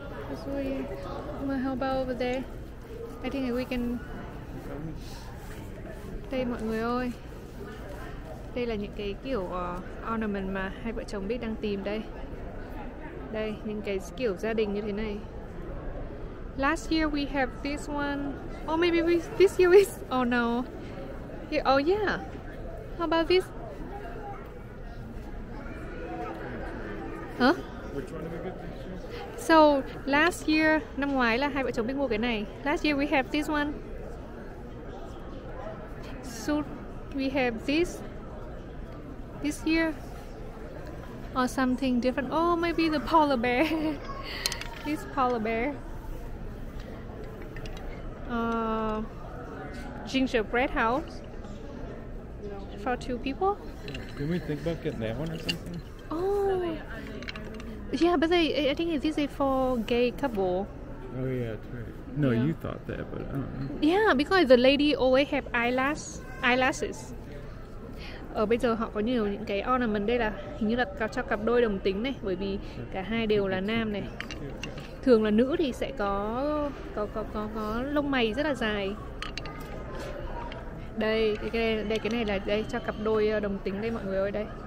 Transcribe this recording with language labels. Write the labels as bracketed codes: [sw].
[en] How about over there? I think we can... [vi] Đây mọi người ơi, đây là những cái kiểu ornament mà hai vợ chồng Bích đang tìm đây. Đây, những cái kiểu gia đình như thế này. [en] Last year we have this one. Or maybe this year is... Oh no. Oh yeah. How about this? So last year, [vi] năm ngoái là hai vợ chồng biết mua cái này. [en] Last year we have this one. So we have this. This year. Or something different. Oh, maybe the polar bear. This polar bear. Gingerbread house. For two people. Can we think about getting that one or something? Oh. Yeah, but I think this is for gay couple. Oh, yeah, that's right. No, yeah. You thought that, but I don't know. Yeah, because the lady always have eyelashes. [vi] Ở bây giờ họ có nhiều những cái ornament. Đây là hình như là cho cặp đôi đồng tính này, bởi vì cả hai đều là nam này. Thường là nữ thì sẽ có lông mày rất là dài. Đây cho cặp đôi đồng tính đây mọi người ơi. Đây.